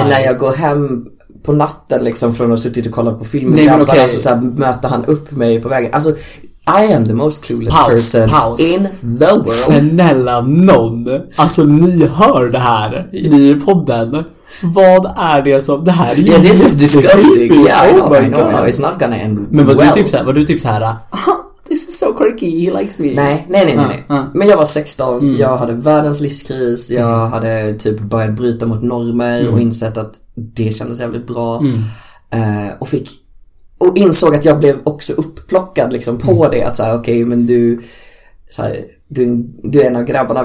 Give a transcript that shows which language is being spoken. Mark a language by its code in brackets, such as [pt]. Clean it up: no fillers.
[sv] Mig när jag går hem på natten liksom från att ha suttit och kollat på filmen. Nej, men okay. Alltså så här, möta han upp mig på vägen. Alltså [en] I am the most clueless [sv] paus, [en] person [sv] paus. [en] In the world. [sv] Snälla någon, alltså ni hör det här, ni är podden. Vad är det som, det här är ju, [en] yeah, this is disgusting. Yeah, oh, I know, no, it's not gonna end. [sv] Men [en] well, [sv] men var du typ såhär, [en] this is so quirky, he likes me. [sv] Nej. Men jag var 16, jag hade världens livskris. Jag hade typ börjat bryta mot normer och insett att det kändes jävligt bra. Och fick, och insåg att jag blev också upplockad liksom på det, att såhär, okej, okay, men du så här, du är en av grabbarna.